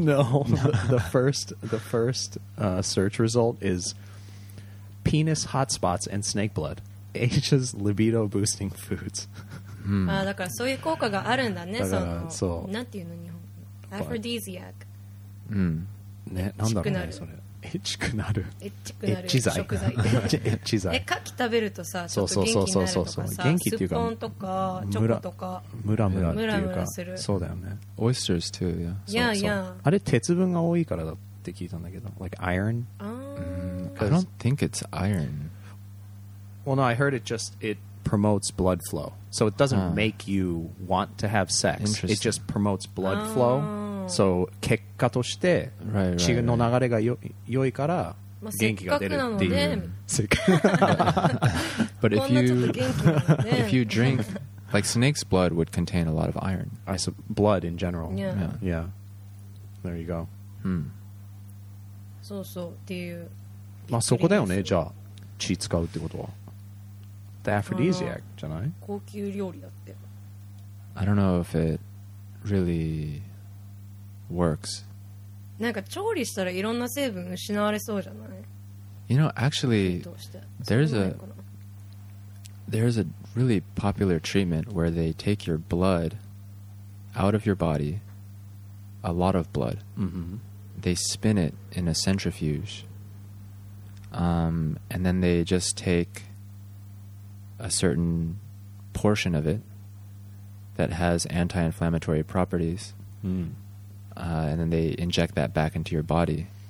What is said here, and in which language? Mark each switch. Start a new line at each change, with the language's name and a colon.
English: No, the first search result is penis hotspots and snake blood. Asia's libido boosting foods. Mm.
Japanese: あ、だからそういう効果があるんだね。だからそのなんていうの日本語。アフロディゼアック。うん。ね、なんだろうね、それ。エッチくなる。エッチくなる。エッチ剤。エッチ剤。え、カキ食べるとさ、ちょっと元気になるとかさ、元気っていうか、スポーンとか、チョコとか、ムラムラっていうか、そうだよね。
English: オイスターズ too、yeah。 Yeah, yeah。
Japanese: あれ鉄分が多いからだって聞いたんだけど、
English: like iron。 I don't think it's iron。 Well, no, I heard it just it promotes blood flow. So it doesn't make you want to have sex. It just promotes blood flow.
Japanese: So 結果として血の流れが良いから元気が出るっていう。
English: But if you drink, like snake's blood would contain a lot of iron. Blood in general. Yeah. Yeah. There you go.
Japanese: そうそうっていう。まあそこだよね。じゃあ血使うってことは。アフロディゼアックじゃない？高級料理だって。
English: I don't know if it really works.
Japanese: なんか調理したらいろんな成分失われそうじゃない
English: ？You know, actually, there's a really popular treatment where they take your blood out of your body, a lot of blood. Mm-hmm. They spin it in a centrifuge, and then they just take a certain portion of it that has anti-inflammatory properties, and then they inject that back into your body.